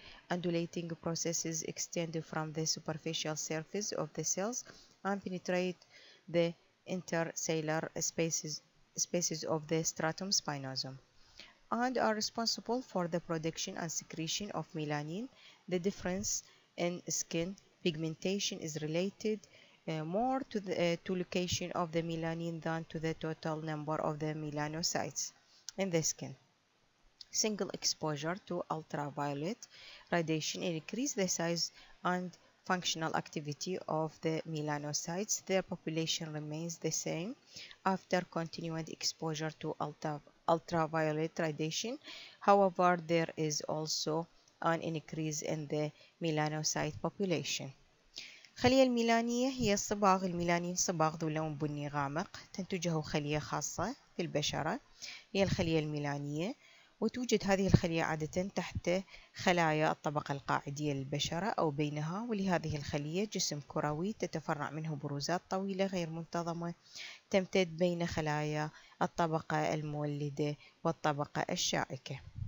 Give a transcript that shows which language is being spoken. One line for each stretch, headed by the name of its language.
English: undulating processes extend from the superficial surface of the cells and penetrate the intercellular spaces of the stratum spinosum and are responsible for the production and secretion of melanin the difference in skin pigmentation is related more to the location of the melanin than to the total number of the melanocytes in the skin. Single exposure to ultraviolet radiation increases the size and functional activity of the melanocytes. Their population remains the same after continued exposure to ultraviolet radiation. However, there is also an increase in the melanocyte population.
Arabic: خلية الميلانية هي صباغ الميلانين صباغ ذو لون بني غامق تنتجه خلية خاصة في البشرة هي الخلية الميلانية وتوجد هذه الخلية عادة تحت خلايا الطبقة القاعدية للبشرة أو بينها ولهذه الخلية جسم كروي تتفرع منه بروزات طويلة غير منتظمة تمتد بين خلايا الطبقة المولدة والطبقة الشائكة